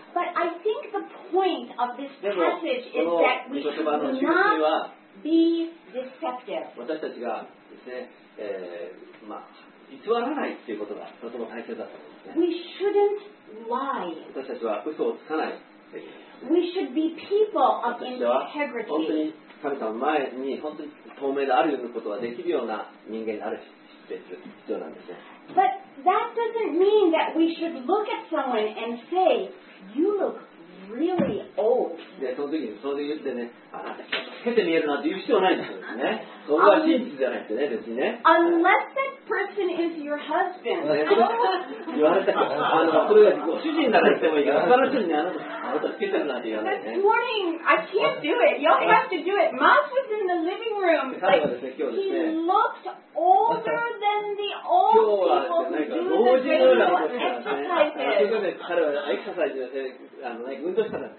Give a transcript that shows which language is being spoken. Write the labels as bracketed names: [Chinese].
[English] But I think the point of this passage is that we should not be deceptive. [Japanese] 私たちがですね、まあ、偽らないということがとても大切だと思います、ね。 [English] We shouldn't lie. [Japanese] 私たちは嘘をつかない。 [English] We should be people of integrity. [Japanese] 本当に神様前に本当に透明であるようなことができるような人間である必要なんですね。 [English] But that doesn't mean that we should look at someone and say, you look really old. [Japanese] Yeah, その時にそれ言ってね、あなた、老けて見えるなんて言う必要ないんですよね。それは真実じゃなくてね、別にね。 [English] Unless that person is your husband. [Japanese] 言われたから、あの、それがご主人だから言ってもいいから、他の人にあなた、 [English] This morning, I can't do it. You'll have to do it. Mas was in the living room. He looked older than the old people who do the physical exercises.